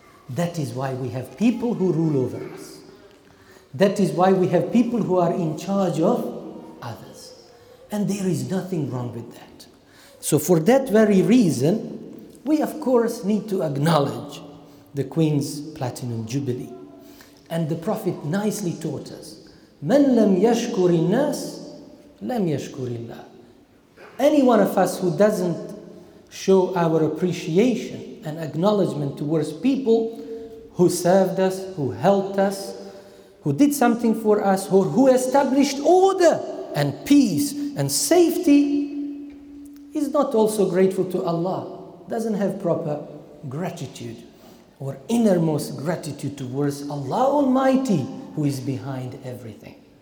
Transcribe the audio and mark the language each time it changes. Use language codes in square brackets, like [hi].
[en] That is why we have people who rule over us. That is why we have people who are in charge of others. And there is nothing wrong with that. So for that very reason, we of course need to acknowledge the Queen's Platinum Jubilee. And the Prophet nicely taught us, [ar] مَنْ لَمْ يَشْكُرِ النَّاسِ لَمْ يَشْكُرِ اللَّهِ. [en] Any one of us who doesn't show our appreciation and acknowledgement towards people who served us, who helped us, who did something for us, or who established order and peace and safety, is not also grateful to Allah, doesn't have proper gratitude or innermost gratitude towards Allah Almighty, who is behind everything.